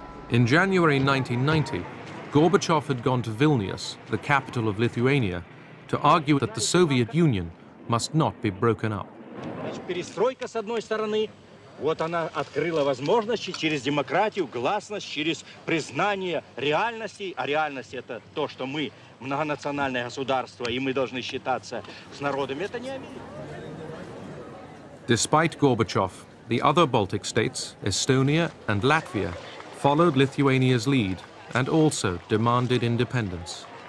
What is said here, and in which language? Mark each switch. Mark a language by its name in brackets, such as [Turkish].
[English] In January 1990, Gorbachev had gone to Vilnius, the capital of Lithuania, to argue that the Soviet Union must not be broken up. [Russian] значит, перестройка с одной стороны, вот она открыла возможности через демократию, гласность, через признание реальностей, а реальность это то, что мы многонациональное государство, и мы должны считаться с народами, это не Америка. [English] Despite Gorbachev, the other Baltic states, Estonia and Latvia, followed Lithuania's lead and also demanded independence.